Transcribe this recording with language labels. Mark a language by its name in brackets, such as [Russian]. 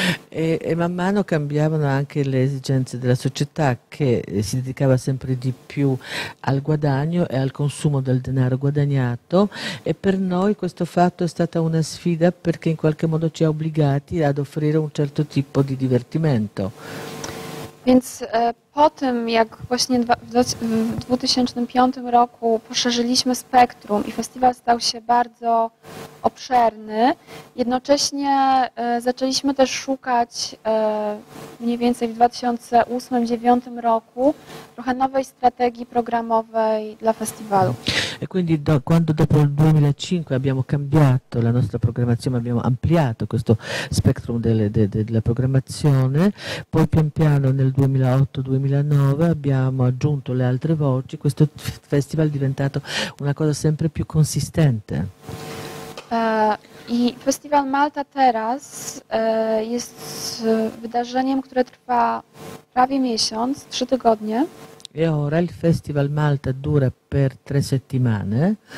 [Italian] E man mano cambiavano anche le esigenze della società che si dedicava sempre di più al guadagno e al consumo del denaro guadagnato e per noi questo fatto è stata una sfida perché in qualche modo ci ha obbligati ad offrire un certo tipo di divertimento. [Polish] Więc po tym, jak właśnie w 2005 roku poszerzyliśmy spektrum i festiwal stał się bardzo obszerny, jednocześnie zaczęliśmy też szukać mniej więcej w 2008-2009 roku trochę nowej strategii programowej dla festiwalu. [Italian] E quindi quando dopo il 2005 abbiamo cambiato la nostra programmazione, abbiamo ampliato questo spectrum della programmazione, poi pian piano nel 2008-2009 abbiamo aggiunto le altre voci, questo festival è diventato una cosa sempre più consistente. [Polish] I Festival Malta teraz jest wydarzeniem, które trwa prawie miesiąc, 3 tygodnie. [Italian] E ora il Festival Malta dura per 3 settimane.